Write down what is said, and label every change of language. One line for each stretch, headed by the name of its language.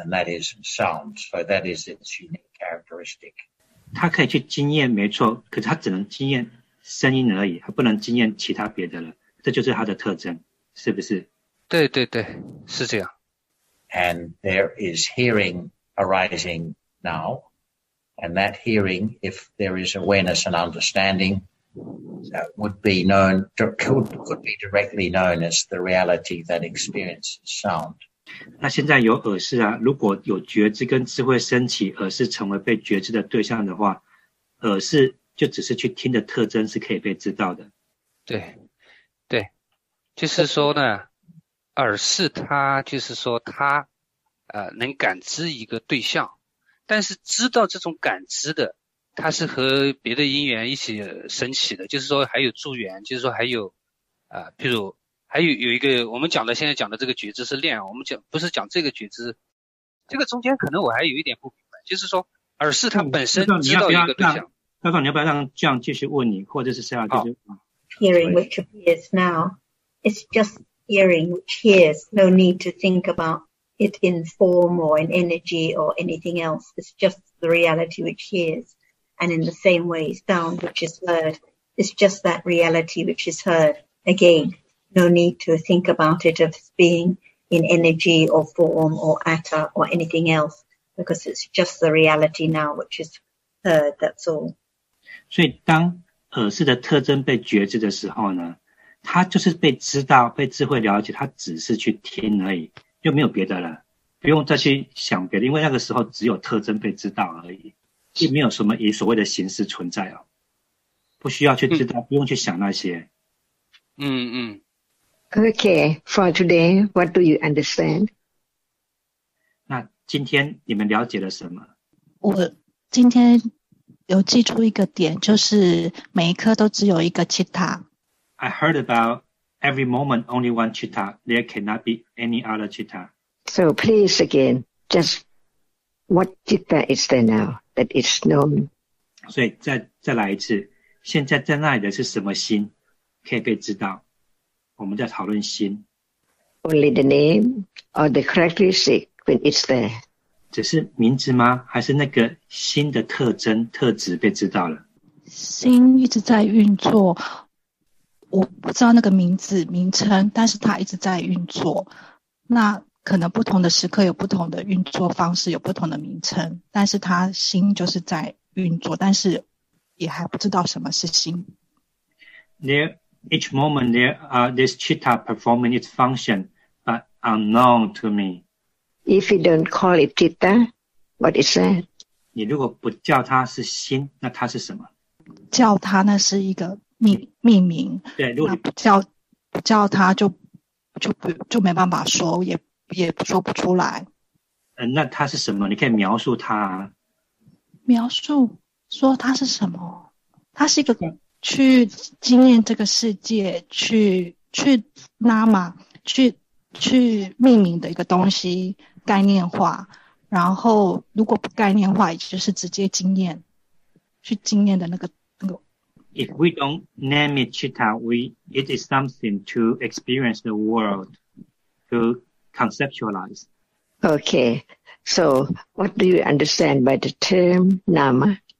English: And that is sound. So that is its unique characteristic.
Chinese: 他可以去经验没错，可是他只能经验声音而已，他不能经验其他别的了。这就是他的特征，是不是？对对对，是这样。
English: And there is hearing arising now. And that hearing, if there is awareness and understanding, would be directly known as the reality that experiences sound.
Chinese: 那现在有耳识啊，如果有觉知跟智慧升起，耳识成为被觉知的对象的话，耳识就只是去听的特征是可以被知道的。对，对，就是说呢，耳识它就是说它能感知一个对象，但是知道这种感知的它是和别的因缘一起升起的，就是说还有助缘，就是说还有譬如还有一个我们讲的现在讲的这个觉知是练，我们讲不是讲这个觉知，这个中间可能我还有一点不明白，就是说耳识它本身知道一个对象。高总，你要不要让这样继续问你，或者是这样就是
English: hearing which appears now, it's just hearing which hears, no need to think aboutit in form or in energy or anything else. It's just the reality which hears. And in the same way, sound which is heard, it's just that reality which is heard. Again, no need to think about it as being in energy or form or atta or anything else, because it's just the reality now which is heard, that's all.
Chinese: 所以当耳识的特征被觉知的时候呢，它就是被知道，被智慧了解，它只是去听而已。就没有别的了，不用再去想别的，因为那个时候只有特征被知道而已，并没有什么以所谓的形式存在哦，不需要去知道，不用去想那些。嗯嗯。
English: Okay, for today, what do you understand?
Chinese: 那今天你们了解了什么？我今天有记住一个点，就是每一刻都只有一个citta。
English: I heard about. Every moment, only one citta. There cannot be any other citta. So please again, just what citta is there now that is known?
Chinese: 所以再来一次，现在在那里的是什么心可以被知道？我们在讨论心。
English: Only the name or the characteristic when it's there.
Chinese: 只是名字吗？还是那个心的特征、特质被知道了？心一直在运作。我不知道那个名字名称，但是它一直在运作，那可能不同的时刻有不同的运作方式，有不同的名称，但是它心就是在运作，但是也还不知道什么是心。
English: There, each moment there are this citta performing its function but unknown to me. If you don't call it citta, what is that?
Chinese: 你如果不叫它是心，那它是什么？叫它那是一个命名，对，那不叫他就没办法说，也说不出来。那他是什么？你可以描述他啊。描述说他是什么？他是一个去经验这个世界，去拉玛，去命名的一个东西，概念化。然后如果不概念化，也就是直接经验，去经验的那个。
English: If we don't name it citta, it is something to experience the world, to conceptualize. Okay, so what do you understand by the term nama?